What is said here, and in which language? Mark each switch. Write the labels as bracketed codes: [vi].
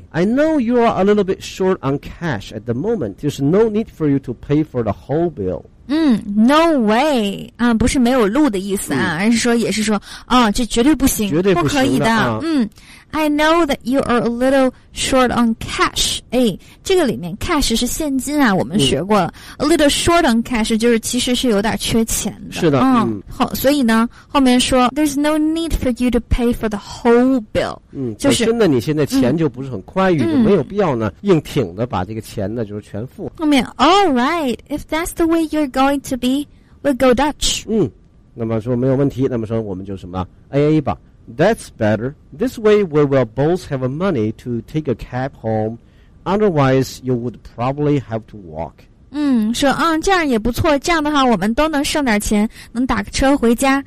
[en] I know you are a little bit short on cash at the moment. There's no need for you to pay for the whole bill. 嗯 ，No way. [zh] 啊，不是没有路的意思啊，嗯、而是说也是说，啊、哦，这绝对不行，绝对不可以的。 [en] 嗯 ，I know that you are a little short on cash. [zh] 哎，这个里面 cash 是现金啊，我们学过了。嗯、 [en] a little short on cash [zh] 就是其实是有点缺钱的。是的。嗯。好，所以呢，后面说 [en] There's no need for you to pay for the whole bill. 嗯， [zh] 就是真的，你现在钱就不是很宽裕、嗯、就没有必要呢硬挺的把这个钱呢就是全付。后面 [en] All right, if that's the way you're going to be, we'll go Dutch. [zh] 嗯，那么说没有问题，那么说我们就什么 AA 吧。 [en] That's better. This way we will both have money to take a cab home. Otherwise, you would probably have to walk. [zh] 嗯，说啊、嗯，这样也不错，这样的话我们都能剩点钱，能打个车回家。